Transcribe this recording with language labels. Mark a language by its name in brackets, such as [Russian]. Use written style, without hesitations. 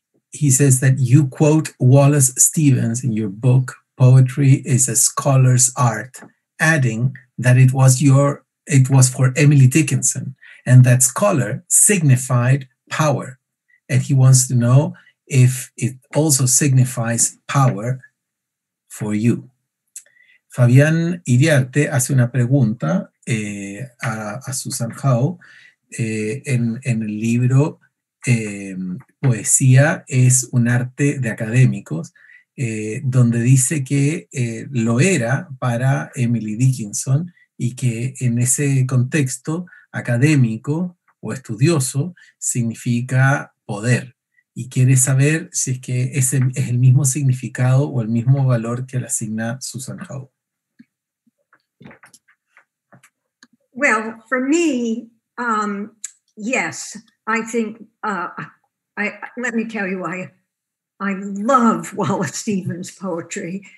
[English] He says that you quote Wallace Stevens in your book, Poetry is a Scholar's Art, adding that it was for Emily Dickinson, and that scholar signified power. And he wants to know if it also signifies power for you. [Spanish] Fabián Iriarte hace una pregunta a Susan Howe en el libro Poesía es un arte de académicos, donde dice que lo era para Emily Dickinson y que en ese contexto académico o estudioso significa poder. Y quiere saber si es que ese es el mismo significado o el mismo valor que le asigna Susan Howe. [English] Well, for me, yes, I think, let me tell you, I love Wallace Stevens' poetry.